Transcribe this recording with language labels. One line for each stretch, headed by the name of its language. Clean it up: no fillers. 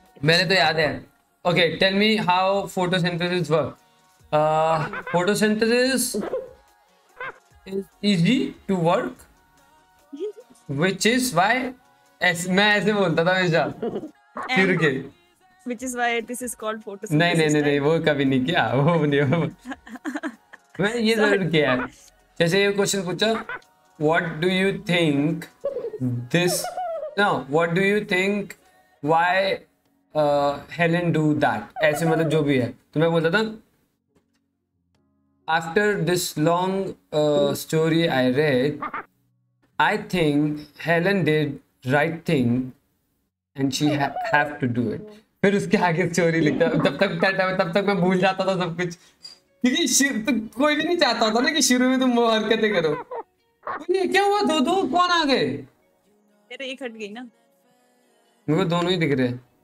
Hindi: मैंने तो याद है
English: okay tell me how photosynthesis work photosynthesis is easy to work which is why
Hindi: मैं ऐसे बोलता था हमेशा फिर के
English: which is why this is called photosynthesis
Hindi: नहीं नहीं नहीं नहीं वो कभी नहीं किया वो नहीं मैं ये जरूर किया जैसे ये क्वेश्चन पूछा
English: what do you think this no what do you think why Helen do that
Hindi: ऐसे मतलब जो भी है तो मैं बोलता था
English: After this long story I read, I think Helen did right thing and she have to do it.
Hindi: फिर उसके आगे स्टोरी लिखता तब तक मैं भूल जाता था सब कुछ क्योंकि तो कोई भी नहीं चाहता था ना कि शुरू में तुम वो हरकतें करो क्या हुआ दो कौन आ गए तेरे एक हट गई ना मुझे दोनों ही दिख रहे